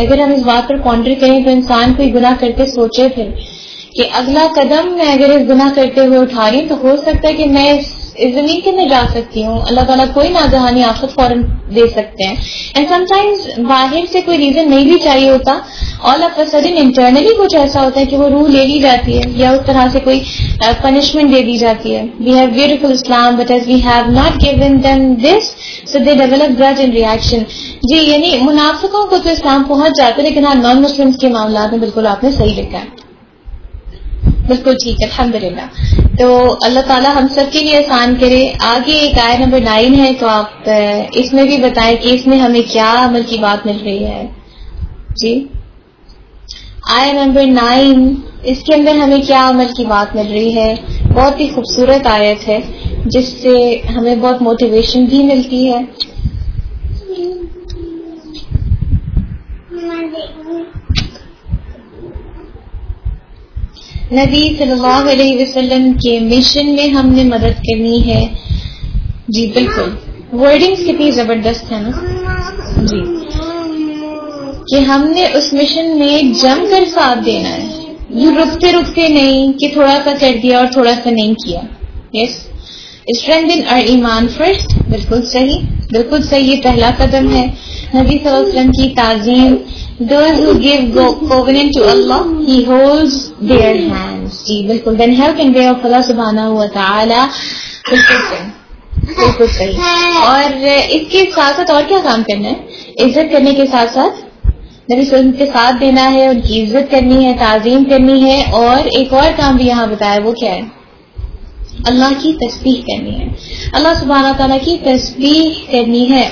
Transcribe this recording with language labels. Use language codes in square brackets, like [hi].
[ur] اگر ہم اس بات پر پونڈر کریں تو انسان کوئی گناہ کر کے سوچے پھر کہ اگلا قدم میں اگر اس گناہ کرتے ہوئے اٹھا رہی ہوں, تو ہو سکتا ہے کہ میں اس زمین کے اندر جا سکتی ہوں. اللہ تعالیٰ کوئی ناگہانی آفت فوراً دے سکتے ہیں. [en] and sometimes [ur] باہر سے کوئی ریزن نہیں بھی چاہیے ہوتا, [en] all of a sudden [ur] internally کچھ ایسا ہوتا ہے کہ وہ روح لے لی جاتی ہے, یا اس طرح سے کوئی پنشمنٹ دے دی جاتی ہے. [en] We have beautiful Islam, but as we have not given them this, so they develop grudge and reaction. [ur] جی, یعنی منافقوں کو تو اسلام پہنچ جاتا ہے, لیکن ہاں نان مسلم کے معاملات میں بالکل آپ نے صحیح لکھا ہے, بالکل ٹھیک ہے, الحمد للہ. تو اللہ تعالیٰ ہم سب کے لیے آسان کرے. آگے ایک آیت نمبر 9 ہے, تو آپ اس میں بھی بتائیں کہ اس میں ہمیں کیا عمل کی بات مل رہی ہے. جی, آیت نمبر 9, اس کے اندر ہمیں کیا عمل کی بات مل رہی ہے؟ بہت ہی خوبصورت آیت ہے جس سے ہمیں بہت موٹیویشن بھی ملتی ہے. نبی صلی اللہ علیہ وسلم کے مشن میں ہم نے مدد کرنی ہے. جی بالکل, ورڈنگز کتنی زبردست ہیں نا جی, کہ ہم نے اس مشن میں جم کر ساتھ دینا ہے. یہ رکتے رکتے نہیں کہ تھوڑا سا کر دیا اور تھوڑا سا نہیں کیا. یس, اسٹرینتھن اور ایمان فرسٹ. بالکل صحیح, بالکل صحیح, یہ پہلا قدم ہے. نبی صلی اللہ علیہ وسلم کی تعظیم, [en] those who give covenant to Allah, He holds their hands. [ur] جی بالکل, [en] then help and way of Allah سبحانہ وتعالی. [ur] بالکل صحیح, بالکل صحیح. اور اس کے ساتھ ساتھ اور کیا کام کرنا ہے؟ عزت کرنے کے ساتھ ساتھ نبی صلی اللہ علیہ وسلم کے ساتھ دینا ہے, ان کی عزت کرنی ہے, تعظیم کرنی ہے, اور ایک اور کام بھی یہاں بتایا, وہ کیا ہے؟ اللہ کی تسبیح کرنی ہے, اللہ سبحانہ تعالیٰ کی تسبیح کرنی ہے.